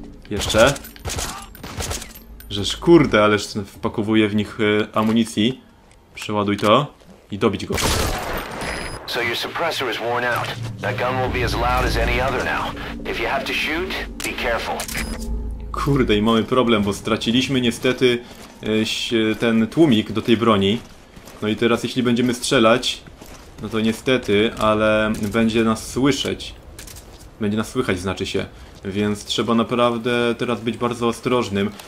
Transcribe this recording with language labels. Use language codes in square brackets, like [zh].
[pl] Jeszcze. Żeż kurde, ależ wpakowuje w nich amunicji. Przeładuj to i dobić go. [en] So your suppressor is worn out. That gun will be as loud as any other now. If you have to shoot, be careful. [pl] Kurde, i mamy problem, bo straciliśmy niestety ten tłumik do tej broni. No i teraz jeśli będziemy strzelać, no to niestety, ale będzie nas słyszeć. Będzie nas słychać, znaczy się. Więc trzeba naprawdę teraz być bardzo ostrożnym.